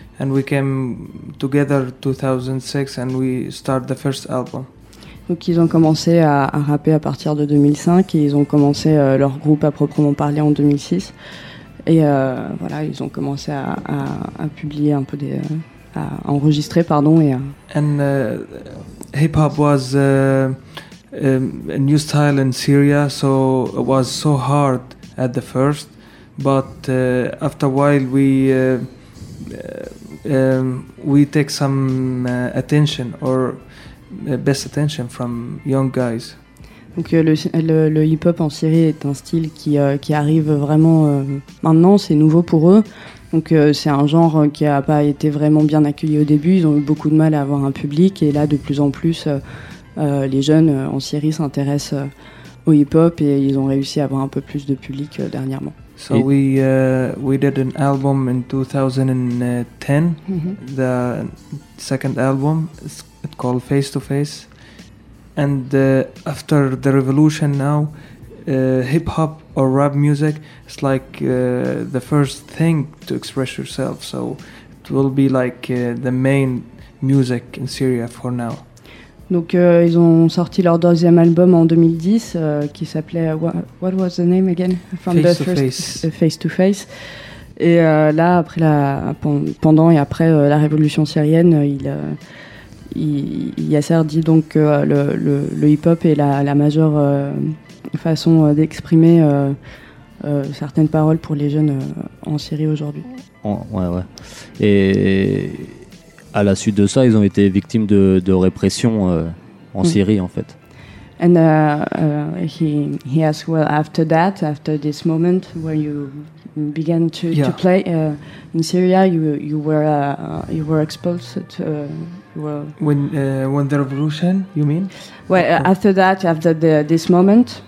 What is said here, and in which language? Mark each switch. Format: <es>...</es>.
<en>And we came together 2006 and we started the first album.</en> <fr>Donc ils ont commencé à rapper à partir de 2005 et ils ont commencé leur groupe à proprement parler en 2006. Et voilà, ils ont commencé à publier un peu des à enregistrer pardon et</fr> <en>And hip hop was a new style in Syria, so it was so hard at the first, but after a while we take some attention or best attention from young guys.</en> <fr>Donc le hip-hop en Syrie est un style qui arrive vraiment maintenant, c'est nouveau pour eux. Donc c'est un genre qui a pas été vraiment bien accueilli au début, ils ont eu beaucoup de mal à avoir un public et là de plus en plus les jeunes en Syrie s'intéressent au hip-hop et ils ont réussi à avoir un peu plus de public dernièrement.</fr> <en>So we did an album in 2010, the second album, it's called Face to Face. And after the revolution now, hip-hop or rap music, it's like the first thing to express yourself. So it will be like the main music in Syria for now.</en> <fr>Donc ils ont sorti leur deuxième album en 2010 qui s'appelait</fr> <en>What was the name again from face the first to face. Face to Face.</en> <fr>Et là après la pendant et après la révolution syrienne, il Yasser dit donc que le hip-hop est la majeure façon d'exprimer certaines paroles pour les jeunes en Syrie aujourd'hui. Ouais. Et à la suite de ça, ils ont été victimes de répression en Syrie, en fait.</fr> <en>And he asked, well, after that, after this moment where you began to to play in Syria, you were exposed to when the revolution, you mean? Well, after that, after this moment,</en>